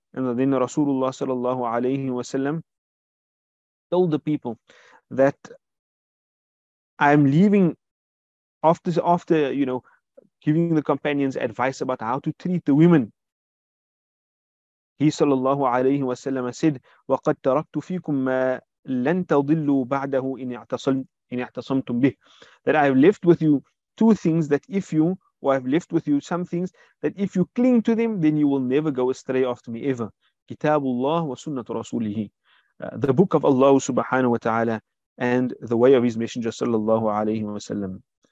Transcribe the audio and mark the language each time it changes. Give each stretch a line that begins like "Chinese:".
English: And then Rasulullah sallallahu alayhi wa sallam told the people that I'm leaving after, you know, giving the companions advice about how to treat the women. He sallallahu alayhi wa sallam said,
Arabic: وَقَدْ تَرَكْتُ فِيكُمْ مَا لَن تَضِلُّوا بَعْدَهُ إِنْ اعْتَصَمْتُمْ بِهِ.
English: That I have left with you two things that if you, or I've left with you some things that if you cling to them, then you will never go astray after me ever.
Arabic: Kitabullah wa sunnatu rasulihi.
English: The book of Allah subhanahu wa ta'ala and the way of his messenger sallallahu alayhi wa sallam.